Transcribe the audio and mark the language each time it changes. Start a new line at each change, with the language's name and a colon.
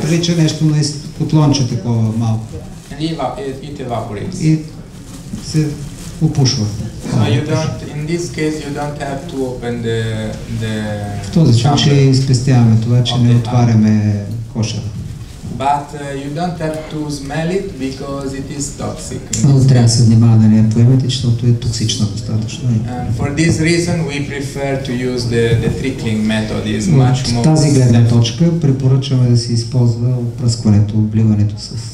Bulgarian: Прилича нещо на котлонче такова малко.
English: And it evaporates.
Bulgarian: Се опушва.
English: So you don't, in this case you don't have to open the
Bulgarian: в този случай спестяваме това, че не отваряме кошера.
English: But you don't have to smell it because it is toxic.
Bulgarian: Но трябва да се внимава да не я поемете, защото е токсична достатъчно.
English: And for this reason we prefer to use the trickling method is much more.
Bulgarian: От тази гледна точка препоръчваме да се използва опръскването, обливането с